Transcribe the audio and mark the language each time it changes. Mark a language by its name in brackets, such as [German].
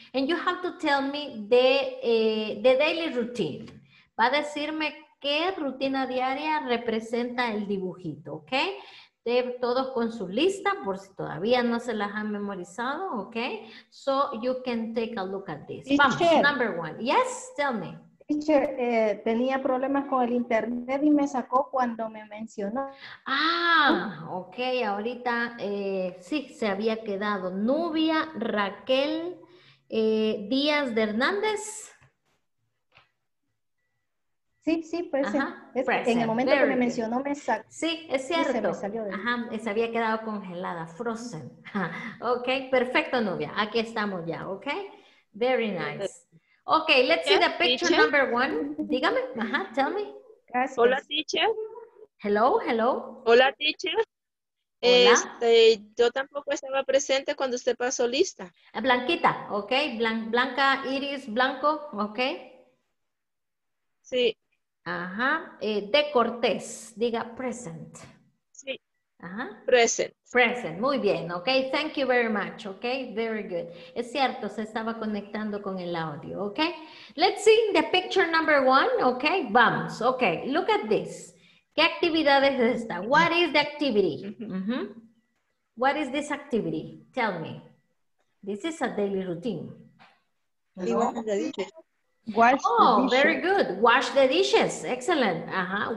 [English] And you have to tell me the daily routine. [Spanish] Va a decirme qué rutina diaria representa el dibujito, ok. De todos con su lista, por si todavía no se las han memorizado, ok. [English] So you can take a look at this. Teacher, vamos, number one. Yes, tell me. [Spanish] Teacher, tenía problemas con el internet y me sacó cuando me mencionó. Ah, ok, ahorita sí, se había quedado. Nubia Raquel Díaz de Hernández. Sí, sí, pues en el momento que me mencionó me sacó. Sí, es cierto. Se había quedado congelada, frozen. Ok, perfecto, Nubia. Aquí estamos ya, ok. [English] Very nice. Ok, let's see the picture teacher? Number one. [Spanish] Dígame, ajá, [English] tell me. [Spanish] Gracias. Hola, teacher. [English] Hello, hello. [Spanish] Hola, teacher. Yo tampoco estaba presente cuando usted pasó lista. Blanquita, ok. Blanca, Iris, Blanco, ok. Sí. Ajá, de Cortés, diga present. Sí, ajá. Present. [English] Present, [Spanish] muy bien, [English] ok, thank you very much, ok, very good. [Spanish] Es cierto, se estaba conectando con el audio, ok. [English] Let's see the picture number one, ok, vamos, ok, look at this. [Spanish] ¿Qué actividad es esta? [English] What is the activity? Mm-hmm. What is this activity? Tell me. This is a daily routine. Wash the dishes. Very good. Wash the dishes. Excellent. Uh-huh.